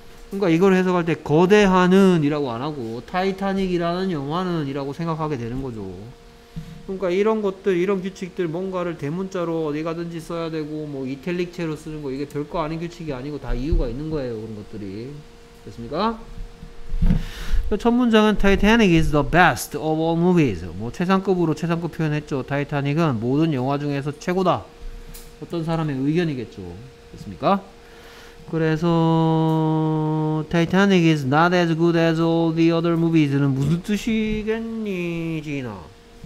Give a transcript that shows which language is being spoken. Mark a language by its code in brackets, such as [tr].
[ko] 그러니까 이걸 해석할 때 거대한은 이라고 안 하고 타이타닉이라는 영화는 이라고 생각하게 되는 거죠. 그러니까 이런 것들, 이런 규칙들, 뭔가를 대문자로 어디 가든지 써야 되고 뭐 이탤릭체로 쓰는 거 이게 별거 아닌 규칙이 아니고 다 이유가 있는 거예요. 그런 것들이. 됐습니까? 첫 문장은 [en] Titanic is the best of all movies. [ko] 뭐 최상급으로 최상급 표현했죠. 타이타닉은 모든 영화 중에서 최고다. 어떤 사람의 의견이겠죠. 됐습니까? 그래서 [en] Titanic is not as good as all the other movies는 [ko] 무슨 뜻이겠니, 지인아?